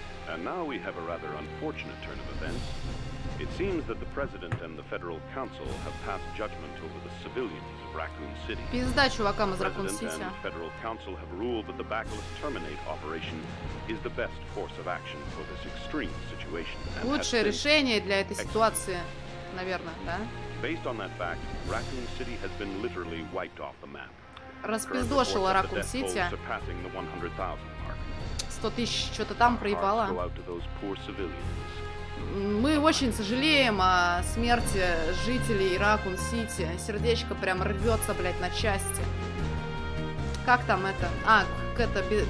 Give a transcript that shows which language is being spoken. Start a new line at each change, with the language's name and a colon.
English: And now we have a rather unfortunate turn of events. It seems that the president and the federal council have passed judgment over the civilians of Raccoon City.
Russian: Пизда чувакам из Raccoon City.
English: President and federal council have ruled that the backless terminate operation is the best course of action for this extreme situation.
Russian: Лучшее решение для этой ситуации, наверное, да?
English: Based on that fact, Raccoon City has been literally wiped off the map.
Russian: Распиздошила Raccoon City.
English: Surpassing the 100,000 mark.
Russian: 100 тысяч что-то там проебало.
English: Go out to those poor civilians.
Russian: Мы очень сожалеем о смерти жителей Raccoon City. Сердечко прям рвется, блядь, на части. Как там это? А, к это...